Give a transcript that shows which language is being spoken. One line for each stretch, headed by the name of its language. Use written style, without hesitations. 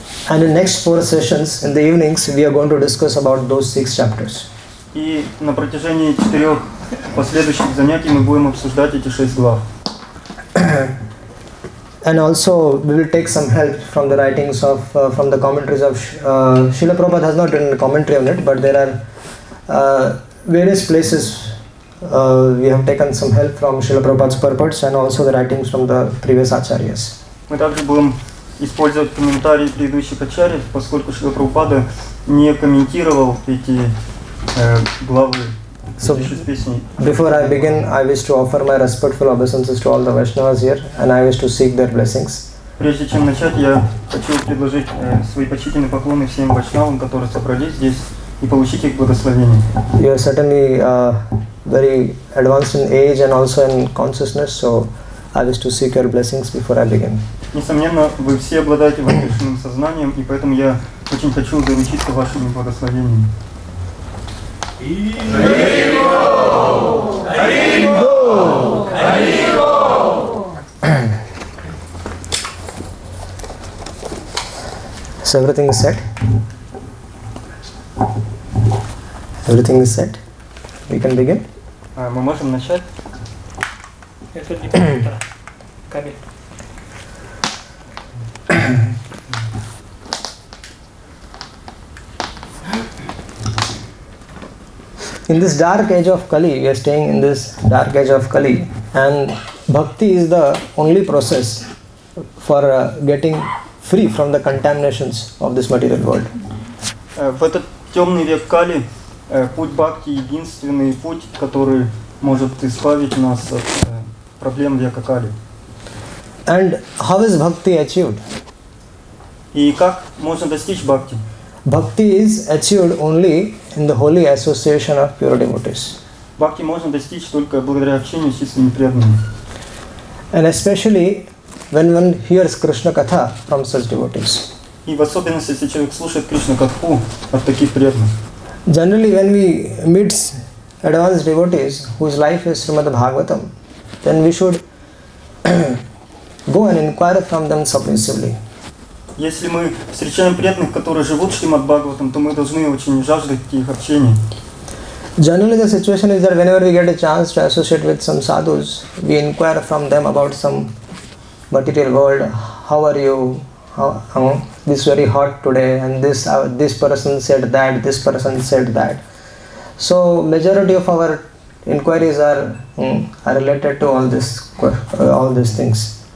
English: And in next four sessions, in the evenings, we are going to discuss about those six chapters.
Russian: И на протяжении четырех последующих занятий мы будем обсуждать эти шесть глав.
English: And also we will take some help from the writings of from the commentaries of Srila Prabhupada has not written a commentary on it, but there are various places we have taken some help from Srila Prabhupada's purports and also the writings from the previous acharyas.
Russian: Мы также будем использовать комментарии предыдущих ачарьев, поскольку Шрила Прабхупада не комментировал эти главы.
English: So, before I begin, I wish to offer my respectful obeisances to all the Vaishnavas here, and I wish to seek their blessings.
Russian: Прежде чем начать, я хочу предложить свои почтительные поклоны всем Вайшнавам, которые собрались здесь, и получить их благословение.
English: You are certainly very advanced in age and also in consciousness, so I wish to seek your blessings before I begin.
Russian: Несомненно, вы все обладаете возвышенным сознанием, и поэтому я очень хочу заручиться вашими благословениями.
English: So everything is set? Everything is set? We can begin?
Russian: Мы можем начать? Это не комплектор. Кабель.
English: In this dark age of Kali, we are staying in this dark age of Kali, and bhakti is the only process for getting free from the contaminations of this material world.
Russian: В этот темный век Кали, путь бхакти – единственный путь, который может избавить нас от проблем века Кали.
English: And how is bhakti achieved?
Russian: И как можно достичь бхакти?
English: Bhakti is achieved only in the holy association of pure devotees.
Russian: Bhakti можно достичь только благодаря общению с чистыми преданными.
English: And especially when one hears Krishna katha from such devotees.
Russian: И в особенности, если человек слушает Кришна катху от таких преданных.
English: Generally, when we meet advanced devotees whose life is Srimad Bhagavatam, then we should go and inquire from them submissively.
Russian: Если мы встречаем преданных, которые живут Шримад Бхагаватам, то мы должны очень жаждать их общения.
English: Generally the situation is that whenever we get a chance to associate with some sadhus, we inquire from them about some material world. How are you? This very hot today, and this person said that, this person said that. So majority of our inquiries are related to all these things.